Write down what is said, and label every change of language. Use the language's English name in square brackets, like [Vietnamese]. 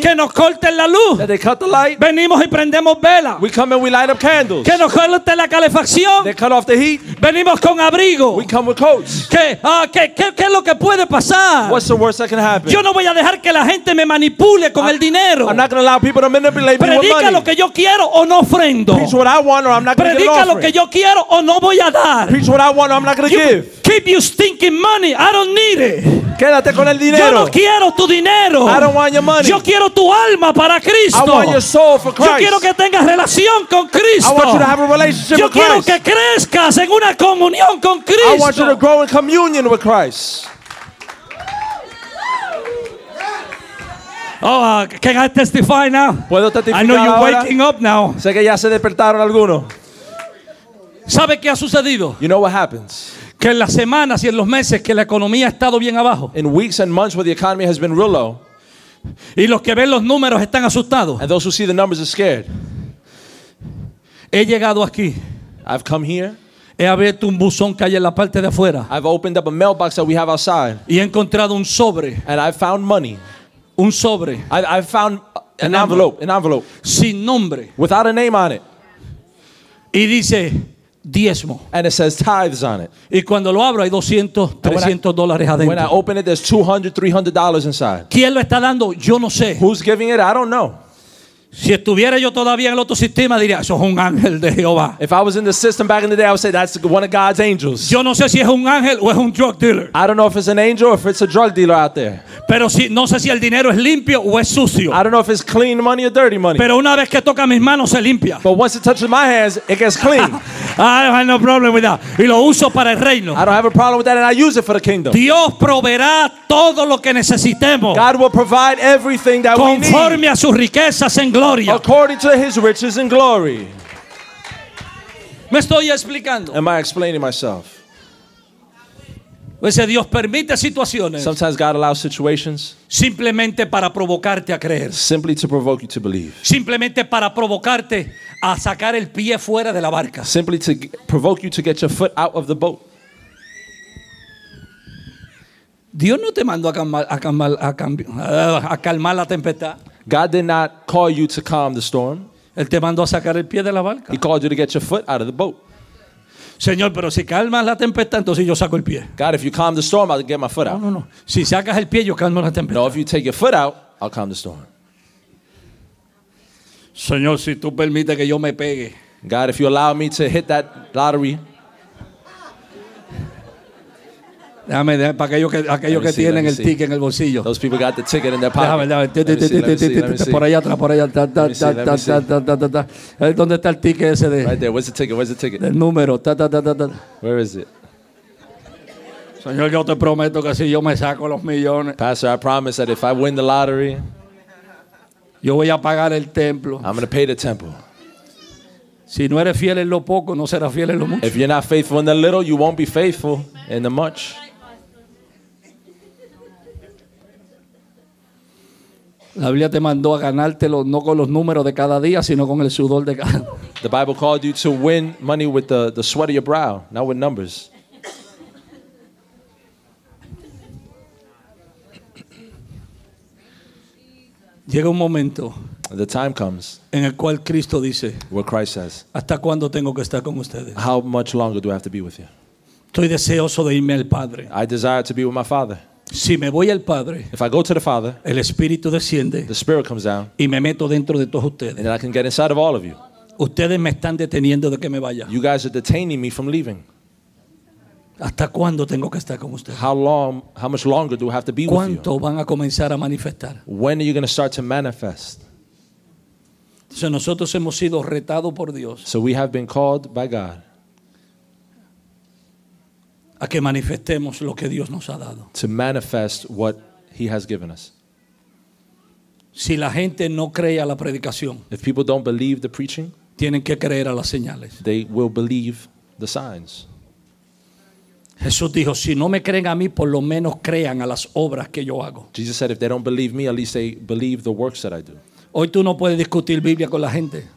[Spanish] Que nos corten la luz. [English] That they cut the light. [Spanish] Venimos y prendemos vela. [English] We come and we light up candles. [Spanish] Que nos corten la calefacción. [English] They cut off the heat. [Spanish] Venimos con abrigo. [English] We come with coats. [Spanish] ¿Qué es lo que puede pasar? [English] What's the worst that can happen? [Spanish] Yo no voy a dejar que la gente me manipule con el dinero. [English] I'm not going to allow people to manipulate me with money. [Spanish] Predica lo que yo quiero. o no ofrendo. [English] Preach what I want or I'm not going to give. [Spanish] Predica lo que yo quiero o no voy a dar. [English] Preach what I want or I'm not going to give. Keep your stinking money. I don't need it. [Spanish] Quédate con el dinero. Yo no quiero tu dinero. [English] I don't want your money. [Spanish] Yo quiero tu alma para Cristo. [English] I want your soul for Christ. [Spanish] Yo quiero que tengas relación con Cristo. [English] I want you to have a relationship with Christ. [Spanish] Yo quiero que crezcas en una comunión con Cristo. [English] I want you to grow in communion with Christ. Oh, can I testify now? [Spanish] ¿Puedo testificar [English] I know you're [Spanish] ahora? [English] Waking up now. [Spanish] Sé que ya se despertaron algunos. ¿Sabe qué ha sucedido? [English] You know what happens? [Spanish] Que en las semanas y en los meses que la economía ha estado bien abajo. [English] In weeks and months where the economy has been real low. [Spanish] Y los que ven los números están asustados. [English] And those who see the numbers are scared. [Spanish] He llegado aquí. [English] I've come here. [Spanish] He abierto un buzón que hay en la parte de afuera. [English] I've opened up a mailbox that we have outside. [Spanish] Y he encontrado un sobre. [English] And I've found money. [Spanish] Un sobre. [English] I found an envelope. An envelope. [Spanish] Sin nombre. [English] Without a name on it. [Spanish] Y dice diezmo. [English] And it says tithes on it. [Spanish] Y cuando lo abro hay 200, 300 dólares adentro. [English] When I open it, there's $200, $300 inside. [Spanish] ¿Quién lo está dando? Yo no sé. [English] Who's giving it? I don't know. [Spanish] Si estuviera yo todavía en el otro sistema, diría, eso es un ángel de Jehová. [English] If I was in the system back in the day, I would say that's one of God's angels. [Spanish] Yo no sé si es un ángel o es un drug dealer. [English] I don't know if it's an angel or if it's a drug dealer out there. [Spanish] Pero si no sé si el dinero es limpio o es sucio. [English] I don't know if it's clean money or dirty money. [Spanish] Pero una vez que toca mis manos se limpia. [English] But once it touches my hands, it gets clean. I don't have no problem with that. [Spanish] Y lo uso para el reino. [English] I don't have a problem with that, and I use it for the kingdom. [Spanish] Dios proveerá todo lo que necesitemos. [English] God will provide everything that [Spanish] conforme [English] we need. [Spanish] Conforme a sus riquezas en gloria. [English] According to his riches and glory. [Spanish] ¿Me estoy explicando? [English] Am I explaining myself? [Spanish] Pues Dios permite situaciones. [English] Sometimes God allows situations. [Spanish] Simplemente para provocarte a creer. [English] Simply to provoke you to believe. [Spanish] Simplemente para provocarte a sacar el pie fuera de la barca. [English] Simply to provoke you to get your foot out of the boat. [Spanish] Dios no te mandó a calmar la tempestad. [English] God did not call you to calm the storm. [Spanish] Él te mandó a sacar el pie de la barca. [English] He called you to get your foot out of the boat. [Spanish] Señor, pero si calmas la tempestad, entonces yo saco el pie. [English] God, if you calm the storm, I'll get my foot out. [Spanish] No. Si sacas el pie, yo calmo la tempestad. [English] No, if you take your foot out, I'll calm the storm. [Spanish] Señor, si tú permites que yo me pegue. [English] God, if you allow me to hit that lottery. [Spanish] Déjame, para aquellos que tienen el ticket en el bolsillo. [English] Those people got the ticket in their pocket. [Spanish] Déjame, por allá atrás. ¿Dónde está el ticket ese de? [English] Right there. Where's the ticket? [Spanish] El número. [English] Where is it? [Spanish] Señor, yo te prometo que si yo me saco los millones. [English] Pastor, I promise that if I win the lottery, [Spanish] yo voy a pagar el templo. [English] I'm going to pay the temple. [Spanish] Si no eres fiel en lo poco, no serás fiel en lo mucho. [English] If you're not faithful in the little, you won't be faithful in the much. [Spanish] La Biblia te mandó a ganártelo no con los números de cada día, sino con el sudor de cada. [English] The Bible called you to win money with the sweat of your brow, not with numbers. [Spanish] Llega un momento. [English] The time comes. [Spanish] En el cual Cristo dice. [English] Where Christ says. [Spanish] ¿Hasta cuándo tengo que estar con ustedes? [English] How much longer do I have to be with you? [Spanish] Estoy deseoso de irme al Padre. [English] I desire to be with my Father. [Spanish] Si me voy al Padre, [English] if I go to the Father, [Spanish] el Espíritu desciende, [English] the Spirit comes down, [Spanish] y me meto dentro de todos ustedes, [English] and then I can get inside of all of you. [Spanish] Ustedes me están deteniendo de que me vaya. [English] You guys are detaining me from leaving. [Spanish] ¿Hasta cuándo tengo que estar con ustedes? [English] How much longer do I have to be with you? [Spanish] ¿Cuánto van a comenzar a manifestar? [English] When are you going to start to manifest? [Spanish] Entonces nosotros hemos sido retados por Dios. [English] So we have been called by God. [Spanish] A que manifestemos lo que Dios nos ha dado. [English] To manifest what he has given us. [Spanish] Si la gente no cree a la predicación. [English] If people don't believe the preaching. [Spanish] Tienen que creer a las señales. [English] They will believe the signs. [Spanish] Jesús dijo, si no me creen a mí, por lo menos crean a las obras que yo hago. [English] Jesus said, if they don't believe me, at least they believe the works that I do. [Spanish] Hoy tú no puedes discutir Biblia con la gente.